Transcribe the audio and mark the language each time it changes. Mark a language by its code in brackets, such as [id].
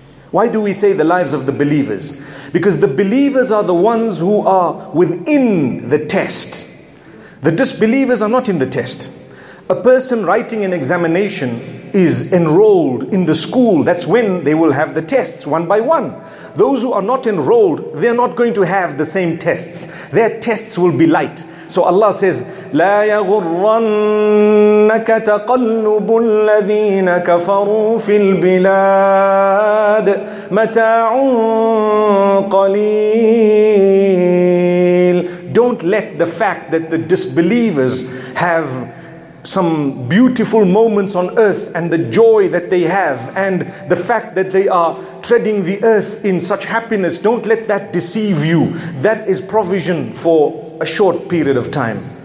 [en] Why do we say the lives of the believers? Because the believers are the ones who are within the test. The disbelievers are not in the test. A person writing an examination is enrolled in the school. That's when they will have the tests one by one. Those who are not enrolled, they're not going to have the same tests. Their tests will be light. So Allah says, [ar] لا يغرنك تقلب الذين كفروا في البلاد متاع قليل. [en] Don't let the fact that the disbelievers have some beautiful moments on earth and the joy that they have and the fact that they are treading the earth in such happiness, don't let that deceive you. That is provision for a short period of time.